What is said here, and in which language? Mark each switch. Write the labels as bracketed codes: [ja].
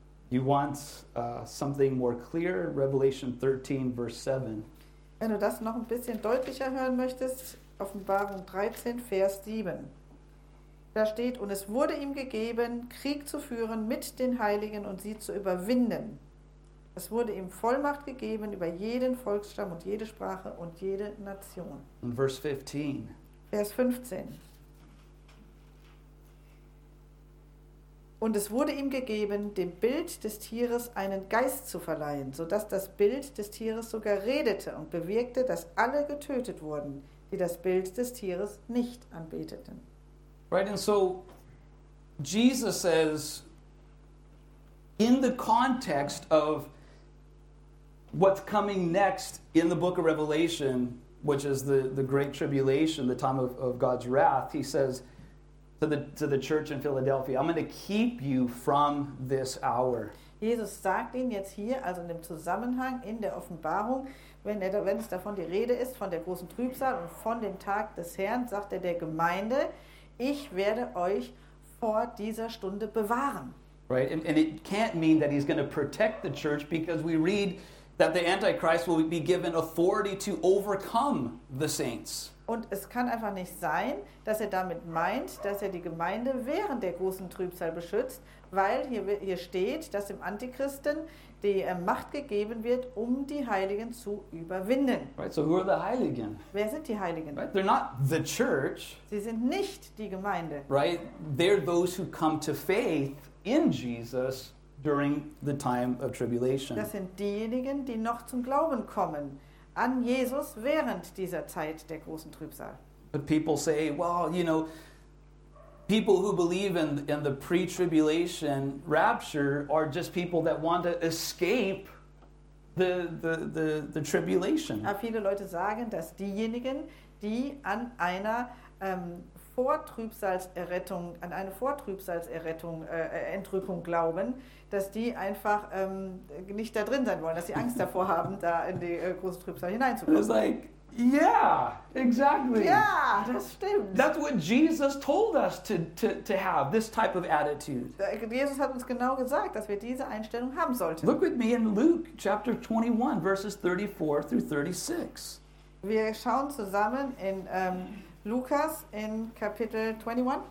[en] You want something more clear? Revelation 13, verse 7. [de] Wenn du das noch ein bisschen deutlicher hören möchtest, Offenbarung 13, Vers 7. Da steht, und es wurde ihm gegeben, Krieg zu führen mit den Heiligen und sie zu überwinden. Es wurde ihm Vollmacht gegeben über jeden Volksstamm und jede Sprache und jede Nation. In Vers 15. Vers 15. Und es wurde ihm gegeben, dem Bild des Tieres einen Geist zu verleihen, sodass das Bild des Tieres sogar redete und bewirkte, dass alle getötet wurden, die das Bild des Tieres nicht anbeteten. [en] Right, and so Jesus says, in the context of what's coming next in the book of Revelation, which is the great tribulation, the time of God's wrath, he says to the church in Philadelphia, I'm going to keep you from this hour. [de] Jesus sagt ihnen jetzt hier, also in dem Zusammenhang, in der Offenbarung, wenn es davon die Rede ist, von der großen Trübsal und von dem Tag des Herrn, sagt er der Gemeinde, ich werde euch vor dieser Stunde bewahren. [en] Right, and it can't mean that he's going to protect the church, because we read that the Antichrist will be given authority to overcome the saints. [de] Und es kann einfach nicht sein, dass er damit meint, dass er die Gemeinde während der großen Trübsal beschützt, weil hier steht, dass dem Antichristen die Macht gegeben wird, um die Heiligen zu überwinden. [en] Right, so who are the Heiligen? [de] Wer sind die Heiligen? [en] Right, they're not the church. [de] Sie sind nicht die Gemeinde. [en] Right, they're those who come to faith in Jesus during the time of tribulation. [de] Das sind diejenigen, die noch zum Glauben kommen an Jesus während dieser Zeit der großen Trübsal. [en] But people say, well, you know, people who believe in the pre-tribulation rapture are just people that want to escape the tribulation. [de] Aber viele Leute sagen, dass diejenigen, die an einer Vortrübsalserrettung, an eine Vortrübsalserrettung, Entrückung glauben, dass die einfach nicht da drin sein wollen, dass sie Angst davor haben, da in die große Trübsal hineinzukommen. [en] Yeah, exactly. [de] Yeah, das stimmt. [en] That's what Jesus told us to have, this type of attitude. [de] Jesus hat uns genau gesagt, dass wir diese Einstellung haben sollten. [en] Look with me in Luke chapter 21, verses 34 through 36. [de] Wir schauen zusammen in Lukas in Kapitel 21.